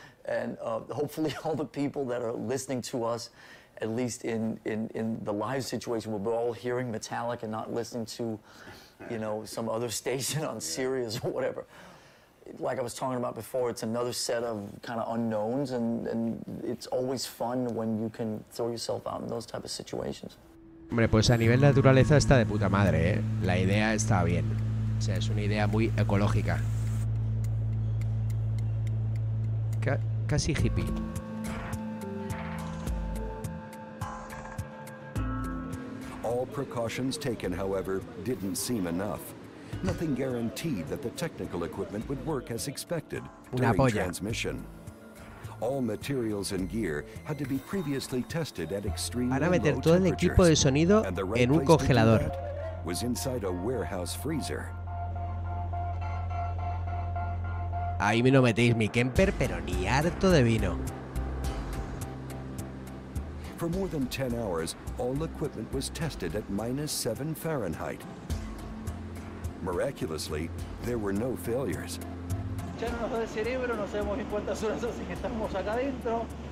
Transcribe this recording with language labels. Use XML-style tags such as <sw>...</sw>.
<en>And hopefully all the people that are listening to us, at least in the live situation, will be all hearing Metallica and not listening to, you know, some other station on Sirius or whatever. Like I was talking about before, it's another set of kind of unknowns, and it's always fun when you can throw yourself out in those type of situations.</en> <es>Hombre, pues a nivel naturaleza está de puta madre, ¿eh? La idea está bien. O sea, es una idea muy ecológica. Casi hippie.</es> <en>All precautions taken, however, didn't seem enough. Nothing guaranteed that the technical equipment would work as expected during transmission. All materials and gear had to be previously tested at extreme low temperatures. And the right place to do that was inside a warehouse freezer.</en> <es>Ahí me no metéis mi Kemper, pero ni harto de vino.</es> <en>For more than 10 hours, all equipment was tested at -7 Fahrenheit. Miraculously, there were no failures.</en> <es>Ya no nos da el cerebro, no sabemos bien cuántas horas hace que estamos acá adentro.</es>